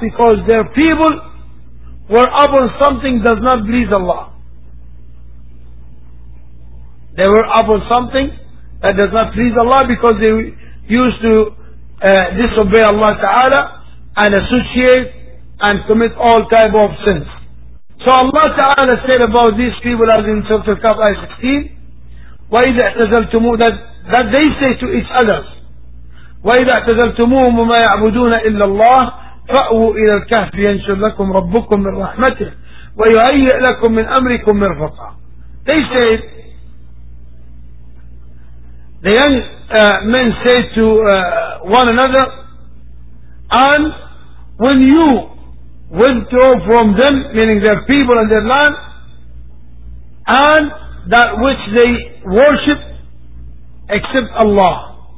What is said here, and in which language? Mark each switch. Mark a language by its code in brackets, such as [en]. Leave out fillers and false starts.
[en] Because their people were upon something that does not please Allah. They were upon something that does not please Allah, because they used to disobey Allah Ta'ala and associate and commit all type of sins. So Allah Ta'ala said about these people, as in Surah Al-Kahf, ayah 16, [ar] وَإِذَا اعْتَزَلْتُمُوهُمْ, [en] that they say to each other, [ar] وَإِذَا اعْتَزَلْتُمُوهُمْ وَمَا يَعْبُدُونَ إِلَّا اللَّهِ فَأْوُوا إِلَى الْكَهْفِ يَنْشُرْ لَكُمْ رَبُّكُمْ مِنْ رَحْمَتِهِ وَيُهَيِّئْ لَكُمْ مِنْ أَمْرِكُمْ مِرْفَقًا. [en] They say, the young men say to one another, and when you withdraw from them, meaning their people and their land, and that which they worship except Allah.